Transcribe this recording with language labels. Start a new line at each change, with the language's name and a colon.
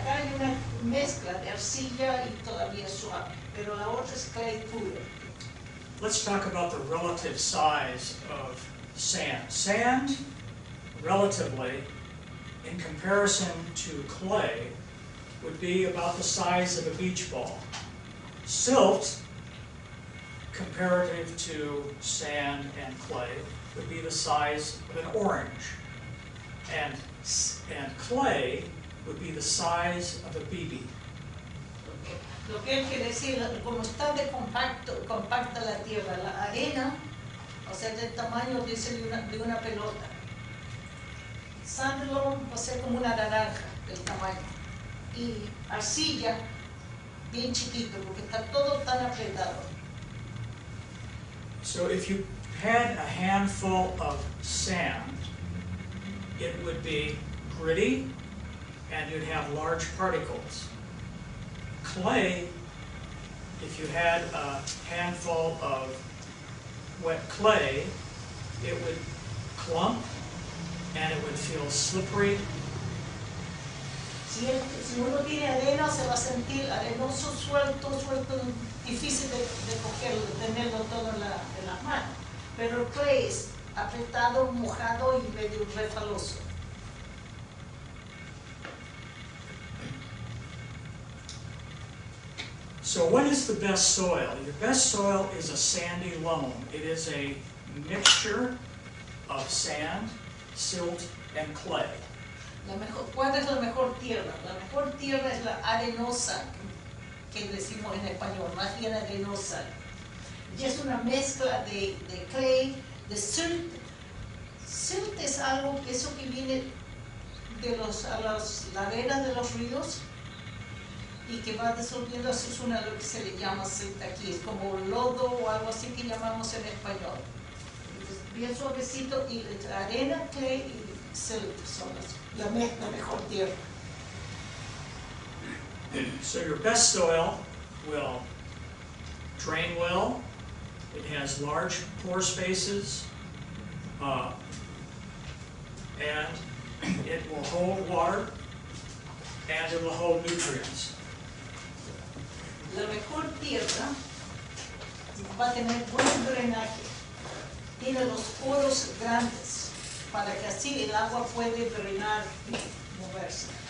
Spanish: Acá hay una mezcla de arcilla y todavía suave, pero la otra es clay pura.
English: Let's talk about the relative size of sand. Sand, relatively, in comparison to clay, would be about the size of a beach ball. Silt, comparative to sand and clay, would be the size of an orange. And clay would be the size of a BB.
Spanish: Lo que él quiere decir, como está de compacto, compacta la tierra, la arena, o sea, del tamaño dice de una pelota. Sand loam va a ser como una naranja del tamaño. Y arcilla, bien chiquito, porque está todo tan apretado.
English: So if you had a handful of sand, it would be gritty and you'd have large particles. Clay, if you had a handful of wet clay, it would clump and it would feel slippery.
Spanish: Si uno tiene arena, se va a sentir arenoso, suelto, difícil de cogerlo, de tenerlo todo en las manos. Pero clay es apretado, mojado y medio refaloso.
English: So what is the best soil? Your best soil is a sandy loam. It is a mixture of sand, silt, and clay.
Spanish: ¿Cuál es la mejor tierra? La mejor tierra es la arenosa, que decimos en español, más bien arenosa. Y es una mezcla de clay, de silt. Silt es algo que eso que viene de los a las laderas de los ríos, y que va disolviendo, eso es una lo que se le llama silt aquí, es como lodo o algo así que llamamos en español. Entonces, bien suavecito, y arena, clay y silt son la mejor tierra.
English: So your best soil will drain well, it has large pore spaces, and it will hold water, and it will hold nutrients.
Spanish: La mejor tierra va a tener buen drenaje, tiene los poros grandes para que así el agua puede drenar y moverse.